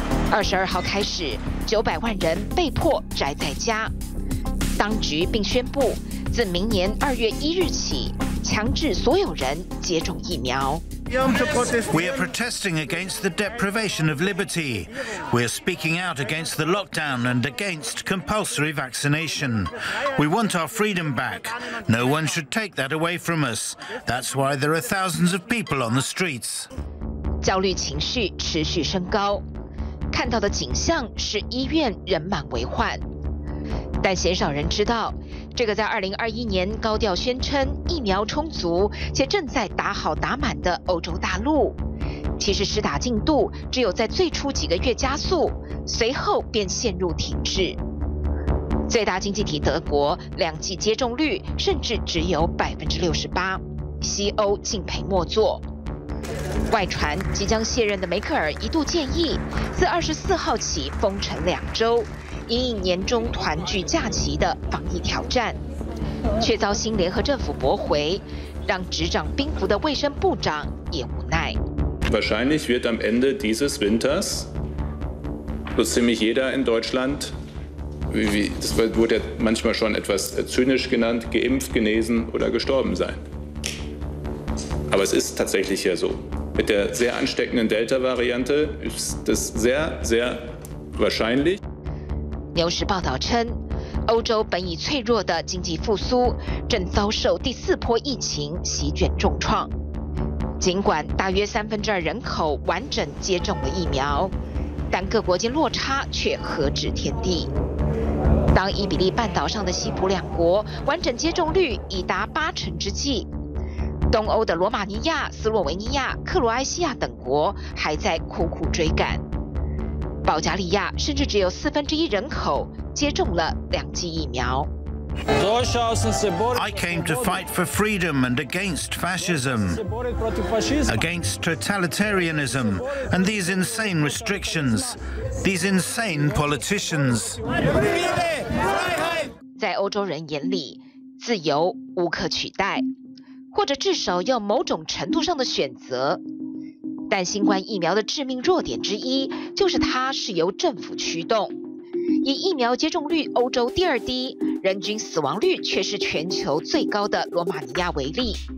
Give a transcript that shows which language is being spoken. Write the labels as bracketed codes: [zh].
[zh] 22号开始，900万人被迫宅在家，当局并宣布自明年2月1日起，强制所有人接种疫苗。 [en] We are protesting against the deprivation of liberty. We are speaking out against the lockdown and against compulsory vaccination. We want our freedom back. No one should take that away from us. That's why there are thousands of people on the streets. [zh] 焦虑情绪持续升高，看到的景象是医院人满为患，但鲜少人知道。这个在2021年高调宣称疫苗充足且正在打好打满的欧洲大陆，其实施打进度只有在最初几个月加速，随后便陷入停滞。最大经济体德国两剂接种率甚至只有68%，西欧敬佩莫作。外传即将卸任的梅克尔一度建议自24号起封城两周，因应年终团聚假期的防疫挑战，却遭新联合政府驳回，让执掌兵符的卫生部长也无奈。 [de] Wahrscheinlich wird am Ende dieses Winters so ziemlich jeder in Deutschland, das wurde manchmal schon etwas zynisch genannt, geimpft, genesen oder gestorben sein. Aber es ist tatsächlich ja so. Mit der sehr ansteckenden Delta-Variante ist das sehr, sehr wahrscheinlich. [zh] 纽时报道称，欧洲本已脆弱的经济复苏，正遭受第四波疫情席卷重创。尽管大约三分之二人口完整接种了疫苗，但各国间落差却何止天地。当伊比利半岛上的西普两国完整接种率已达八成之际，东欧的罗马尼亚、斯洛维尼亚、克罗埃西亚等国还在苦苦追赶，保加利亚甚至只有四分之一人口接种了两剂疫苗。 [en] I came to fight for freedom and against fascism, against totalitarianism, and these insane restrictions, these insane politicians. [zh] 在欧洲人眼里，自由无可取代。或者至少要某种程度上的选择，但新冠疫苗的致命弱点之一就是它是由政府驱动，以疫苗接种率欧洲第二低，人均死亡率却是全球最高的罗马尼亚为例，